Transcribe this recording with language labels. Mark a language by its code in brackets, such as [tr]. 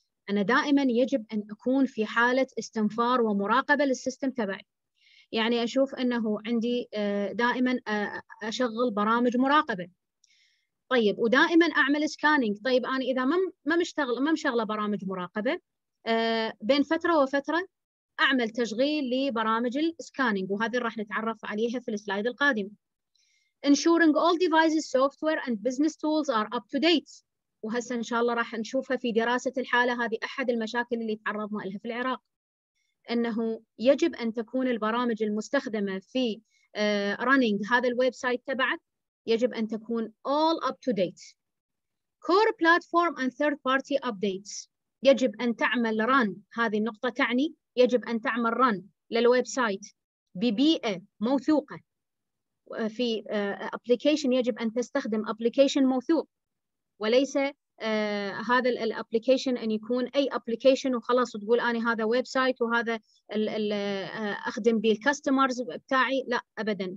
[ar] أنا دائماً يجب أن أكون في حالة استنفار ومراقبة للسيستم تبعي، يعني أشوف أنه عندي دائماً أشغل برامج مراقبة. طيب ودائماً أعمل سكانينج. طيب أنا إذا ما مشغلة برامج مراقبة، بين فترة وفترة أعمل تشغيل لبرامج السكانينج، وهذه راح نتعرف عليها في السلايد القادم. [en] Ensuring all devices, software and business tools are up to date. [ar] وهسه إن شاء الله راح نشوفها في دراسة الحالة، هذه أحد المشاكل اللي تعرضنا لها في العراق، أنه يجب أن تكون البرامج المستخدمة في running هذا الويب سايت تبعك يجب أن تكون [en] all up to date. Core platform and third party updates. [ar] يجب أن تعمل run، هذه النقطة تعني يجب أن تعمل run للويب سايت ببيئة موثوقة. في application يجب أن تستخدم application موثوق وليس هذا الابلكيشن ان يكون اي ابلكيشن وخلاص وتقول انا هذا ويب سايت وهذا اخدم به الكاستمرز بتاعي، لا ابدا.